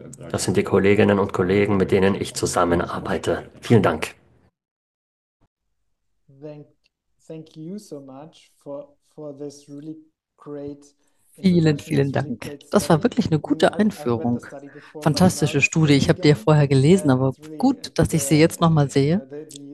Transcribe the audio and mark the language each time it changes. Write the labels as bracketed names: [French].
[German] Das sind die Kolleginnen und Kollegen, mit denen ich zusammenarbeite. Vielen Dank. [English] Thank you so much for this really great. [German] Vielen, vielen Dank. Das war wirklich eine gute Einführung. Fantastische Studie. Ich habe die ja vorher gelesen, aber gut, dass ich sie jetzt nochmal sehe.